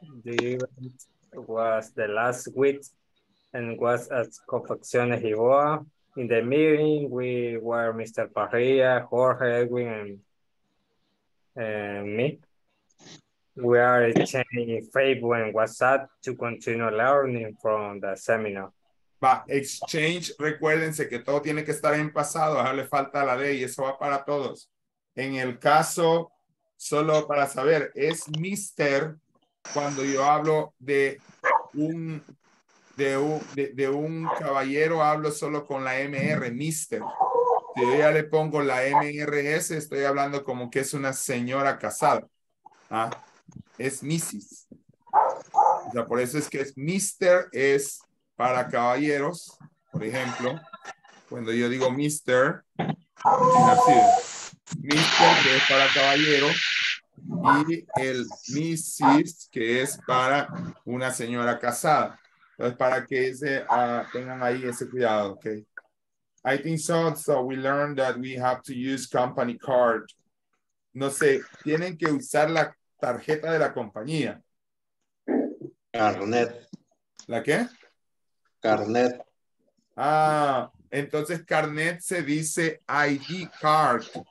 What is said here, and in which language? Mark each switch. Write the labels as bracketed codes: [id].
[en] The event was the last week and was at Confecciones Gilboa. In the meeting, we were Mr. Parrilla, Jorge, Edwin, and me. We are exchanging Facebook and WhatsApp to continue learning from the seminar. [es] Va, exchange, recuérdense que todo tiene que estar en pasado, dejarle falta la D y eso va para todos. En el caso, solo para saber, es Mr. cuando yo hablo de un caballero, hablo solo con la MR, Mr. Si yo ya le pongo la MRS, estoy hablando como que es una señora casada. Ah. Es Mrs. O sea, por eso es que es Mr. es para caballeros. Por ejemplo, cuando yo digo Mr. Mr. que es para caballeros. Y el Mrs. que es para una señora casada. Entonces, para que tengan ahí ese cuidado. Okay. [en] I think so we learned that we have to use company card. [es] No sé, tienen que usar la tarjeta de la compañía. Carnet. ¿La qué? Carnet. Ah, entonces carnet se dice ID card.